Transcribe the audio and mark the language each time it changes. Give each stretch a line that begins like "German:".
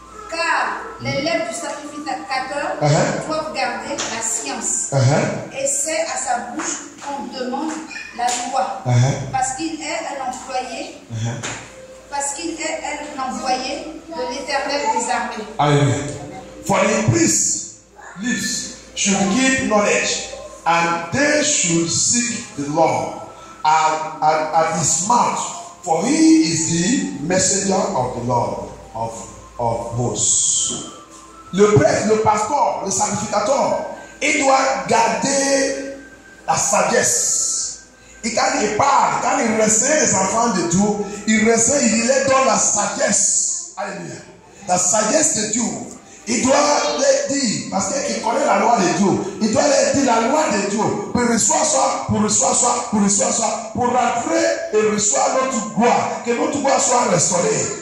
French: Car les lèvres du sacrificateur doivent garder la science. Et c'est à sa bouche qu'on demande la loi. Parce qu'il est un employé. Parce qu'il est un envoyé de l'Éternel des armées.
English: Alléluia. For the priest lives should give knowledge. And they should seek the Lord at his mouth, for he is the messenger of the Lord of hosts.
French: Le prêtre, le pasteur, le sacrificateur, il doit garder la sagesse. Quand il parle, quand il restreint les enfants de Dieu, il restreint, il est dans la sagesse. Alléluia. La sagesse de Dieu. Il doit leur dire, parce qu'il connaît la loi de Dieu, il doit leur dire la loi de Dieu, pour recevoir soi, pour recevoir soi, pour recevoir soi, pour rentrer et recevoir notre gloire, que notre gloire soit restaurée.